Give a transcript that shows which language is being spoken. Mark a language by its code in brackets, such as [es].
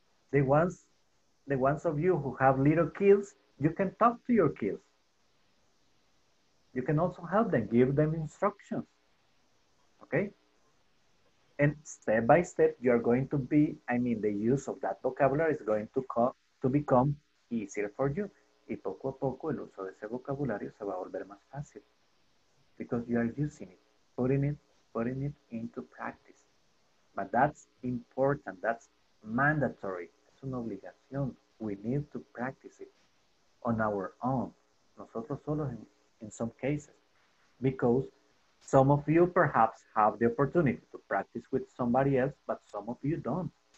[en] The ones of you who have little kids, you can talk to your kids. You can also help them, give them instructions. Okay? And step by step, you're going to be, I mean, the use of that vocabulary is going to become easier for you. [es] Y poco a poco, el uso de ese vocabulario se va a volver más fácil. [en] Because you are using it, putting it into practice. But that's important, that's mandatory. [es] Es una obligación. [en] We need to practice it on our own. [es] Nosotros solos [en] in some cases. Because some of you perhaps have the opportunity to practice with somebody else, but some of you don't.